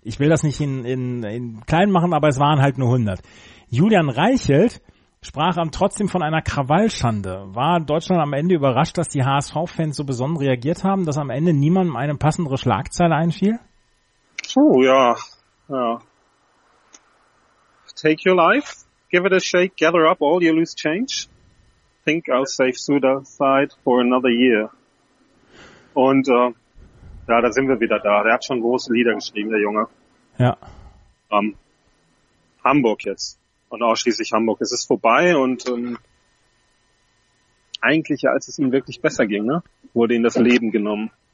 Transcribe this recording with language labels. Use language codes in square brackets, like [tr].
[de] Ich will das nicht in klein machen, aber es waren halt nur 100. Julian Reichelt sprach am trotzdem von einer Krawallschande. War Deutschland am Ende überrascht, dass die HSV-Fans so besonnen reagiert haben, dass am Ende niemandem eine passendere Schlagzeile einfiel? Oh ja, ja. [en] Take your life, give it a shake, gather up all your loose change. Think I'll save suicide for another year. [de] Und ja, da sind wir wieder da. Der hat schon große Lieder geschrieben, der Junge. Ja. Hamburg jetzt. Und ausschließlich Hamburg. Es ist vorbei und eigentlich, als es ihm wirklich besser ging, ne, wurde ihm das Leben genommen.